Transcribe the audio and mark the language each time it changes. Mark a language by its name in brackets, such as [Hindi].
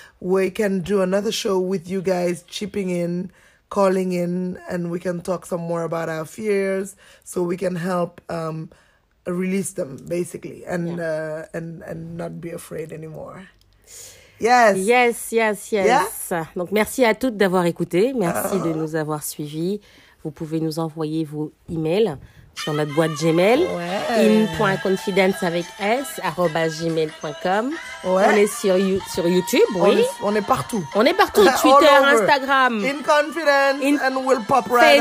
[English] We can do another show with you guys chipping in. Calling in and we can talk some more about our fears so we can help release them basically and not be afraid anymore. Yes. Yes, yes, yes. Yeah? [French] Donc merci à toutes d'avoir écouté, merci de nous avoir suivis. Vous pouvez nous envoyer vos emails sur notre boîte Gmail in.confidence@gmail.com. Ouais. On est sur YouTube, on est partout. On est partout, Twitter, Instagram. [English] In Confidence and we'll pop right